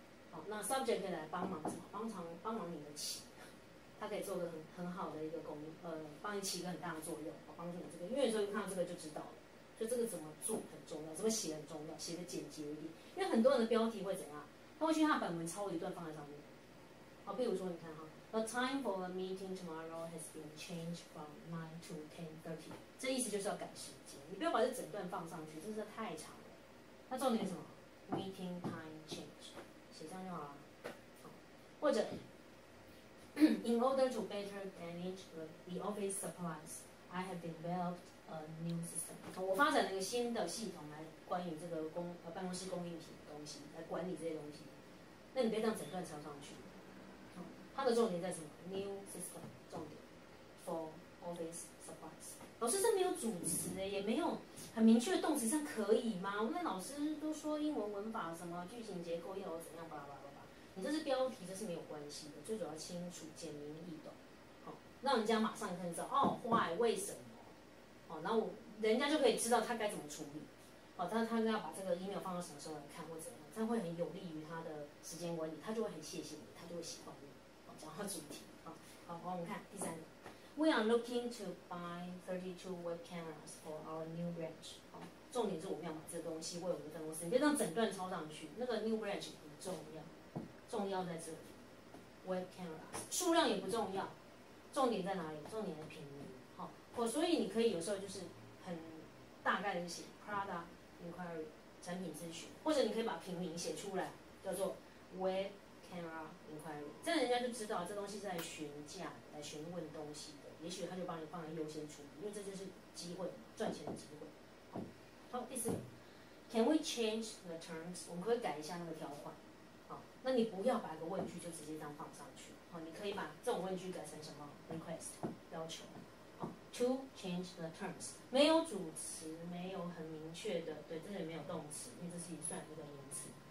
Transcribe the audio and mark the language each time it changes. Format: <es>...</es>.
<zh>好，那 subject 可以来帮忙什么？帮忙你的起，它可以做个很好的一个功，帮你起一个很大的作用，好，帮助你这个。因为有时候看到这个就知道了，就这个怎么做很重要，怎么写很重要，写的简洁一点。因为很多人的标题会怎样？他会去他本文抄一段放在上面。好，比如说你看哈。</zh> <en>The time for the meeting tomorrow has been changed from 9 to 10:30.</en> <zh>这意思就是要赶时间，你不要把这整段放上去，真是太长了。那重点是什么？</zh> <en>Meeting time change，</en> <zh>写上就好了。 或者</zh> <en>In order to better manage the office supplies, I have developed a new system.</en> <zh>我发展了一个新的系统来管理这个办公室供应品的东西，来管理这些东西。那你别让整段抄上去。它的重点在什么 ？</zh> <en>New system，</en> <zh>重点</zh> <en>for office supplies。</en> <zh>老师，这没有主词哎，也没有很明确的动词，这样可以吗？我们老师都说英文文法什么剧情结构要怎样，巴拉巴拉巴拉。你这是标题，这是没有关系的，最主要清楚、简明易懂，好、哦，让人家马上可以知道哦 ，why 为什么，好、哦，然后人家就可以知道他该怎么处理，好、哦，但是他要把这个 email 放到什么时候来看或怎样，这样会很有利于他的时间管理，他就会很谢谢你，他就会喜欢你。讲到主题，好，我们看第三个</zh> <en>，We are looking to buy 32 web cameras for our new branch。</en> <zh>好，重点是我们要买这东西为我们的办公室，你别让整段抄上去，那个 new branch 不重要，重要在这里 ，web cameras 数量也不重要，重点在哪里？重点的品名。好，所以你可以有时候就是很大概的写</zh> <en>product inquiry</en> <zh>产品咨询，或者你可以把品名写出来，叫做 web。</zh> <en>Camera inquiry，</en> <zh>这样人家就知道这东西是在询价、来询问东西的，也许他就帮你放在优先处理，因为这就是机会，赚钱的机会。好，第四个</zh> <en>，Can we change the terms？</en> <zh>我们可以改一下那个条款。好，那你不要把一个问句就直接这样放上去。好，你可以把这种问句改成什么 ？Request， 要求。好 ，</zh> <en>To change the terms，</en> <zh>没有主词，没有很明确的，对，这里没有动词，因为这是也算一个名词。</zh>